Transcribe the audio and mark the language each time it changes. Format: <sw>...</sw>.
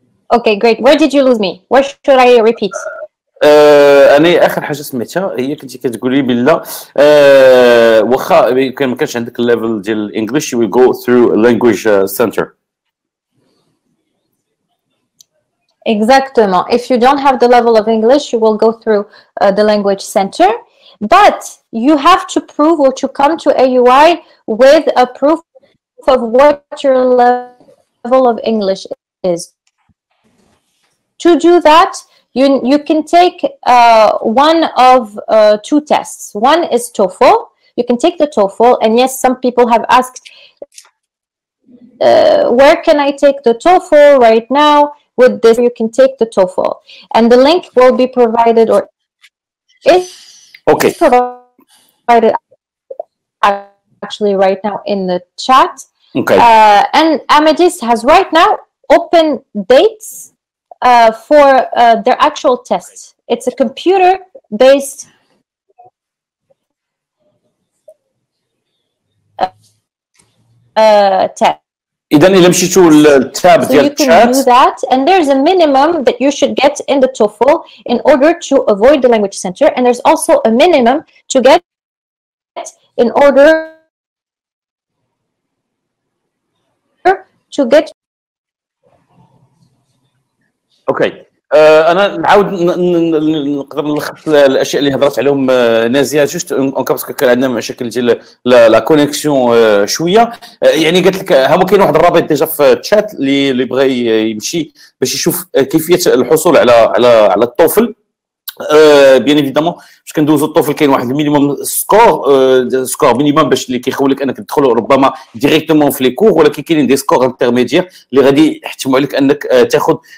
<en>Okay, great. Where did you lose me? Where should I repeat?</en> <ar>انا اخر حاجه سميتها هي كنتي كتقولي بلا واخا ما كانش عندك الليفل ديال الانجليش</ar> <en>we go through language centre</en> <fr>Exactement.</fr> <en>If you don't have the level of English, you will go through the language center. But you have to prove or to come to AUI with a proof of what your level of English is. To do that, you can take one of two tests. One is TOEFL. You can take the TOEFL. And yes, some people have asked, where can I take the TOEFL right now? With this, you can take the TOEFL. And the link will be provided or is okay. provided actually right now in the chat. Okay. And Amadis has right now open dates for their actual test. It's a computer-based test.</en> <ar>إذن إذا مشيتوا للتاب ديال الشات.</ar> <en>So you can do that, and there's a minimum that you should get in the TOEFL in order to avoid the language center, and there's also a minimum to get in order to get. Okay.</en> <ar>أنا نعاود نقدر نلخص الأشياء اللي هضرت عليهم نازيه</ar> <fr>جوست باسكو</fr> <ar>كان عندنا مشاكل ديال</ar> <fr>لا كونيكسيون</fr> <ar>شويه يعني قالت لك هما كاين واحد الرابط ديجا في الشات اللي بغى يمشي باش يشوف كيفيه الحصول على على على الطوفل</ar> <fr>بيان ايفيدامون</fr> <ar>باش كندوزو الطوفل كاين واحد المينيموم سكور سكور مينيموم باش اللي كيخول لك انك تدخل ربما</ar> <fr>ديريكتومون في لي كور</fr> <ar>ولكن كاينين</ar> <fr>دي سكور انترميديير</fr> <ar>اللي غادي يحتموا عليك انك تاخذ</ar>